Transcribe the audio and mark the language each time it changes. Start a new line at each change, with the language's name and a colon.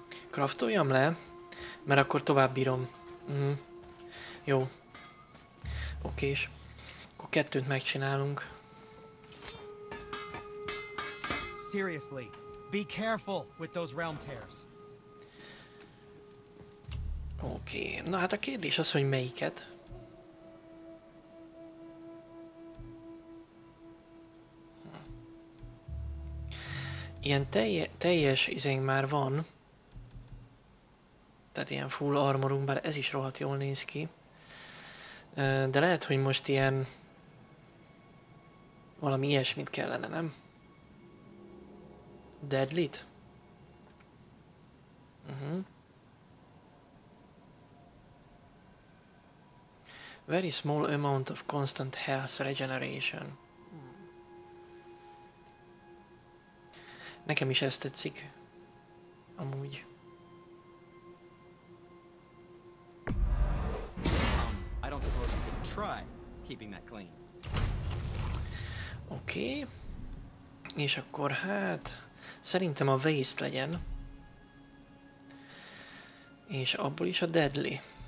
Hungarian: Kraftoljam le, mert akkor tovább bírom. Jó. Oké, és akkor kettőt megcsinálunk.
English: Seriously, be careful with those realm tears.
Hungarian: Oké, na hát a kérdés az, hogy melyiket. Ilyen teljes izénk már van. Tehát ilyen full armorunk, bár ez is rohadt jól néz ki. De lehet, hogy most ilyen... valami ilyesmit kellene, nem? Deadlit? Uh-huh.
English: Very small amount of constant health regeneration.
Hungarian: Nekem is ezt tetszik. Amúgy.
English: I don't suppose you could try keeping that clean.
Hungarian: Oké. És akkor hát... szerintem a waste legyen. És abból is a deadly.